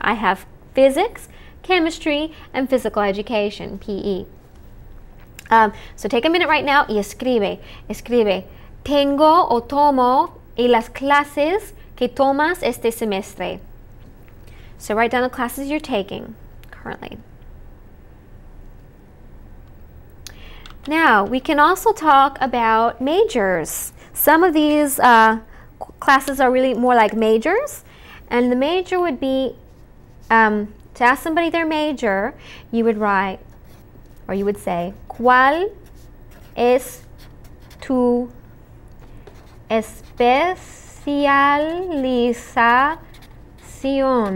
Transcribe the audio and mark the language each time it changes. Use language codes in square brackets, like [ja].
[en] I have physics, chemistry and physical education, PE. So take a minute right now [es] y escribe. Escribe, tengo o tomo y las clases que tomas este semestre. [en] So write down the classes you're taking currently. Now, we can also talk about majors. Some of these classes are really more like majors. And the major would be, to ask somebody their major, you would write, or you would say, [es] ¿Cuál es tu especialización?